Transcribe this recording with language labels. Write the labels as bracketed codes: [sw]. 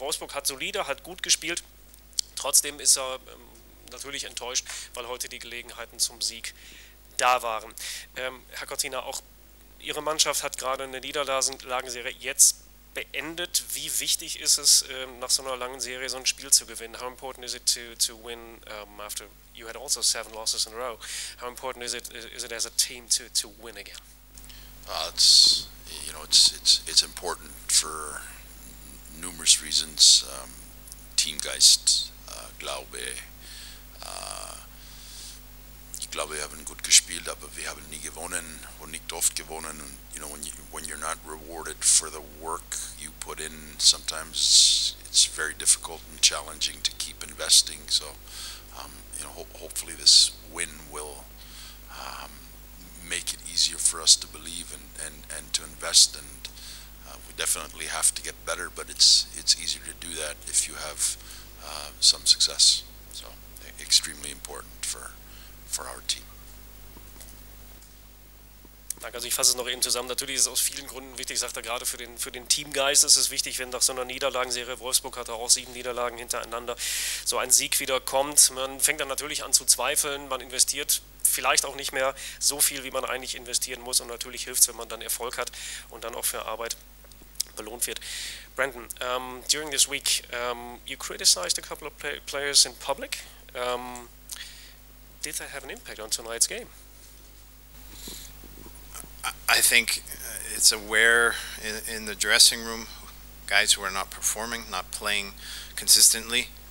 [de] Wolfsburg hat solide, hat gut gespielt. Trotzdem ist er natürlich enttäuscht, weil heute die Gelegenheiten zum Sieg da waren. Herr Cortina, auch Ihre Mannschaft hat gerade eine Niederlagenserie jetzt beendet. Wie wichtig ist es, nach so einer langen Serie so ein Spiel zu gewinnen? [en] How important is it to win after you had also 7 losses in a row? How important is it as a team to win again? It's important for numerous reasons. [de] Teamgeist, glaube ich. Ich glaube, wir haben gut gespielt, aber wir haben nie gewonnen und nicht oft gewonnen. [en] Und, you know, when you're not rewarded for the work you put in, sometimes it's very difficult and challenging to keep investing. So, you know, hopefully this win will make it easier for us to believe and to invest. And we definitely have to get better, but it's easier to do that if you have some success. So, extremely important for our team. [de] Danke, also ich fasse es noch eben zusammen. Natürlich ist es aus vielen Gründen wichtig, ich sagte gerade für den Teamgeist ist es wichtig, wenn nach so einer Niederlagenserie, Wolfsburg hatte auch 7 Niederlagen hintereinander, so ein Sieg wieder kommt. Man fängt dann natürlich an zu zweifeln, man investiert vielleicht auch nicht mehr so viel, wie man eigentlich investieren muss, und natürlich hilft es, wenn man dann Erfolg hat und dann auch für Arbeit belohnt wird. [en] Brandon, during this week, you criticized a couple of players in public. Did that have an impact on tonight's game? I think it's aware in the dressing room, guys who are not performing, not playing consistently.